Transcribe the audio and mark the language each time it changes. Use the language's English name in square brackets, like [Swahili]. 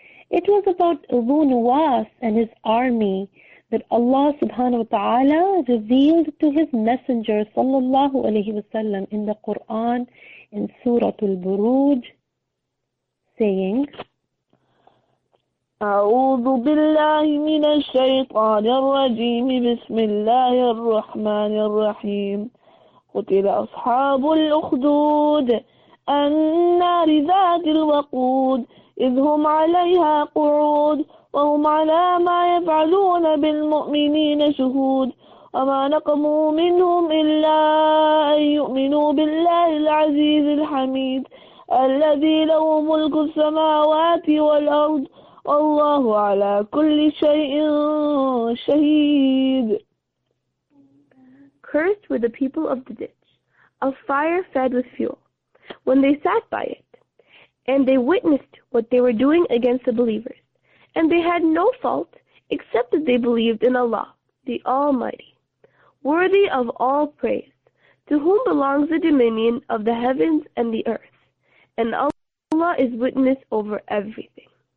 [English] It was about Abu Nuwas and his army that Allah subhanahu wa ta'ala revealed to his messenger sallallahu alayhi wa sallam in the Quran in Suratul Buruj, saying, [Arabic] أعوذ بالله من الشيطان الرجيم بسم الله الرحمن الرحيم قتل أصحاب الأخدود النار ذات الوقود إذ هم عليها قعود وهم على ما يفعلون بالمؤمنين شهود وما نقموا منهم إلا أن يؤمنوا بالله العزيز الحميد الذي له ملك السماوات والأرض الله على كل شيء شهيد. [English] Cursed were the people of the ditch, a fire fed with fuel, when they sat by it, and they witnessed what they were doing against the believers, and they had no fault except that they believed in Allah, the Almighty, worthy of all praise, to whom belongs the dominion of the heavens and the earth, and Allah is witness over everything.